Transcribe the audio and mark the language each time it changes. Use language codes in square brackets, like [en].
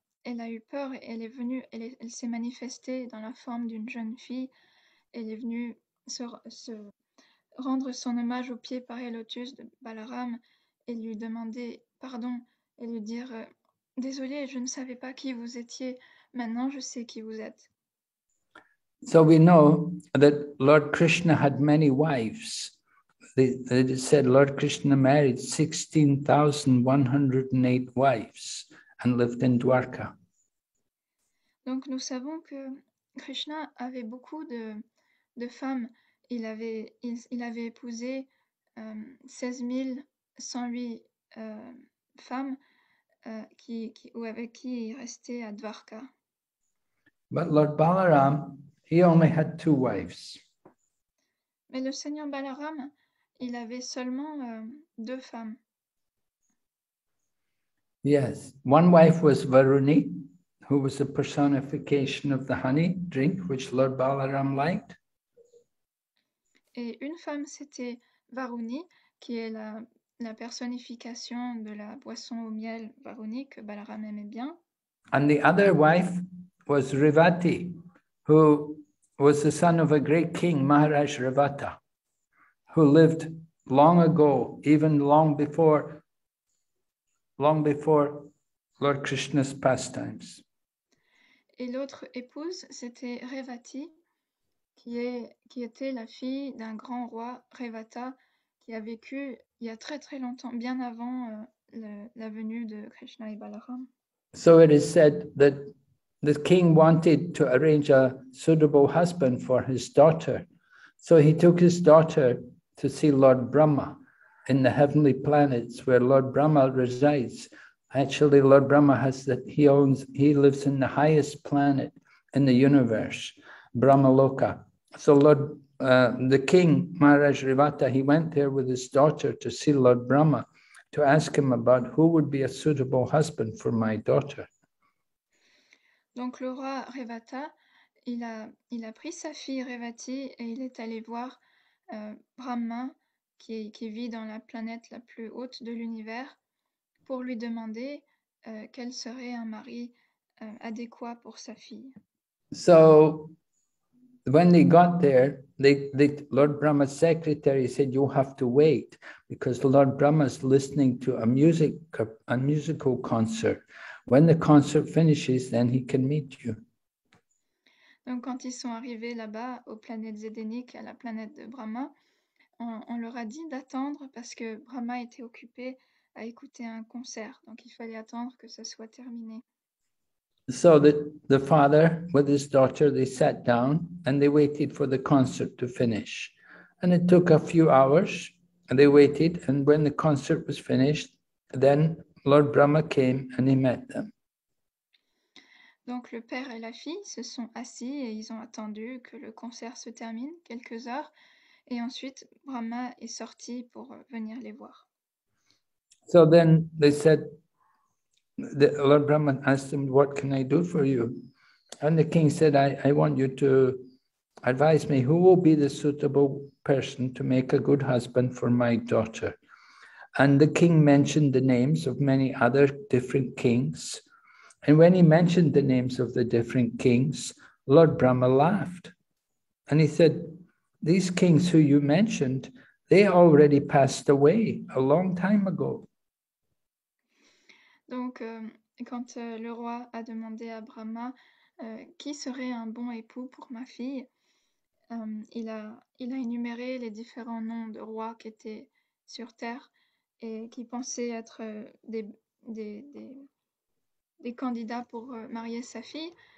[fr] elle a eu peur, elle est venue, elle s'est manifestée dans la forme d'une jeune fille, elle est venue se rendre son hommage aux pieds parés lotus de Balaram et lui demander pardon et lui dire « Désolée, je ne savais pas qui vous étiez, maintenant je sais qui vous êtes. » [en] So we know that Lord Krishna had many wives. It is said Lord Krishna married 16,108 wives and lived in Dwarka. [fr] Donc nous savons que Krishna avait beaucoup de femmes. Il avait épousé 16,108 femmes ou avec qui il restait à Dwarka. [en] But Lord Balaram, he only had two wives. [fr] Mais le Seigneur Balaram, il avait seulement deux femmes. [en] Yes, one wife was Varuni, who was a personification of the honey drink which Lord Balaram liked. [fr] Et une femme, c'était Varuni, qui est la personnification de la boisson au miel Varuni que Balaram aimait bien. [en] And the other wife was Rivati, who was the son of a great king, Maharaj Rivata, who lived long ago, even long before Lord Krishna's pastimes. [fr] Et l'autre épouse, c'était Revati, qui était la fille d'un grand roi, Revata, qui a vécu il y a très très longtemps, bien avant la venue de Krishna et Balaram. [en] So it is said that the king wanted to arrange a suitable husband for his daughter. So he took his daughter to see Lord Brahma in the heavenly planets where Lord Brahma resides. Actually, Lord Brahma he lives in the highest planet in the universe, Brahmaloka. So the king, Maharaj Rivata, he went there with his daughter to see Lord Brahma to ask him about who would be a suitable husband for my daughter. [fr] Donc le roi Revata, il a pris sa fille Revati et il est allé voir Brahma qui vit dans la planète la plus haute de l'univers pour lui demander quel serait un mari adéquat pour sa fille. [en] So when they got there, Lord Brahma's secretary said, "You have to wait because Lord Brahma is listening to a musical concert. When the concert finishes, then he can meet you." [fr] Donc quand ils sont arrivés là-bas, aux planètes édéniques, à la planète de Brahma, on leur a dit d'attendre parce que Brahma était occupé à écouter un concert. Donc il fallait attendre que ça soit terminé. [en] So the father with his daughter, they sat down and they waited for the concert to finish. And it took a few hours and they waited. And when the concert was finished, then Lord Brahma came and he met them. [fr] Donc le père et la fille se sont assis et ils ont attendu que le concert se termine quelques heures et ensuite Brahma est sorti pour venir les voir. [en] So then they said, Lord Brahma asked them, "What can I do for you?" And the king said, I want you to advise me who will be the suitable person to make a good husband for my daughter. And the king mentioned the names of many other different kings. And when he mentioned the names of the different kings, Lord Brahma laughed. And he said, "These kings who you mentioned, they already passed away a long time ago." [fr] Donc, quand le roi a demandé à Brahma qui serait un bon époux pour ma fille, il a énuméré les différents noms de rois qui étaient sur terre et qui pensaient être des candidats pour marier sa fille.